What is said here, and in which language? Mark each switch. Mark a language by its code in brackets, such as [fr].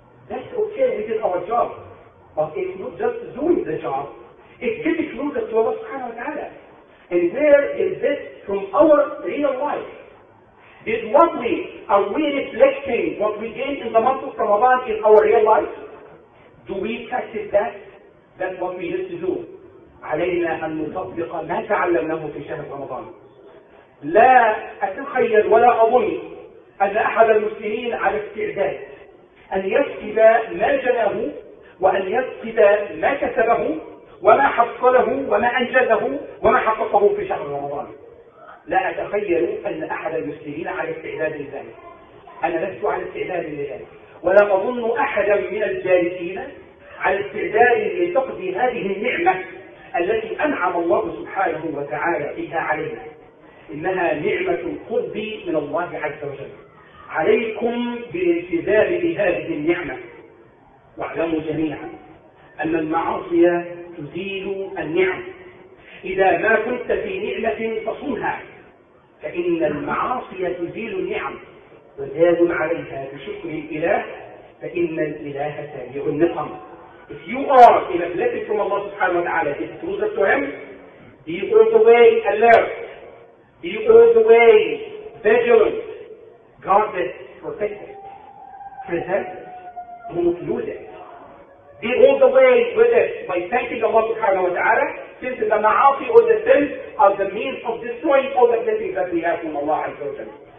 [en] That's okay, we did our job. But it's not just doing the job, it's getting closer to Allah subhanahu wa ta'ala. And where is this from our real life? Is what we are we reflecting what we gain in the month of Ramadan in our real life? Do we practice that? That's what we need to do. [ar] علينا أن نطبق ما تعلمناه في شهر رمضان. لا أتخيل ولا أظن أن أحد المسلمين على استعداد أن يكسب ما جناه وأن يكسب ما كسبه وما حصله وما أنجزه وما حققه في شهر رمضان. لا أتخيل أن أحد المسلمين على استعداد لذلك. أنا لست على استعداد لذلك. ولا أظن أحدا من الجالسين على استعداد لتقضي هذه النعمة التي أنعم الله سبحانه وتعالى بها علينا. إنها نعمة القرب من الله عز وجل. عليكم بالالتزام بهذه النعمة. واعلموا جميعا أن المعاصي تزيل النعم. إذا ما كنت في نعمة فصونها. فإن المعاصي تزيل النعم وزاد عليها بشكر الإله فإن الإله تابع النقم. [en] If you are in a blessing from Allah subhanahu wa ta'ala, it's closer to Him, be all the way alert, be all the way vigilant, guard it, protect it, present it, don't lose it. Be all the way with it by thanking Allah subhanahu wa ta'ala, since the ma'afi or the sins are the means of destroying all the blessings that we have from Allah and children.